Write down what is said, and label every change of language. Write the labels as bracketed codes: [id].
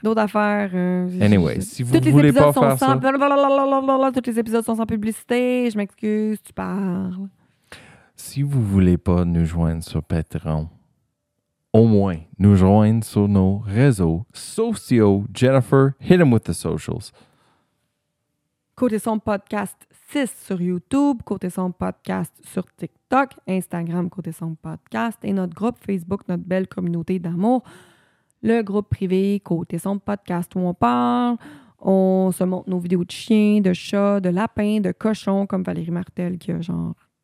[fr] D'autres affaires. Anyway, si vous voulez pas faire ça. Tous les épisodes sont sans publicité. Je m'excuse, tu parles. Si vous voulez pas nous joindre sur Patreon, au moins nous joindre sur nos réseaux sociaux. [en] Jennifer, hit him with the socials. [fr] Côté son podcast 6 sur YouTube, côté son podcast sur TikTok, Instagram, côté son podcast et notre groupe Facebook, notre belle communauté d'amour. Le groupe privé, côté son podcast où on parle, on se montre nos vidéos de chiens, de chats, de lapins, de cochons, comme Valérie Martel qui a genre...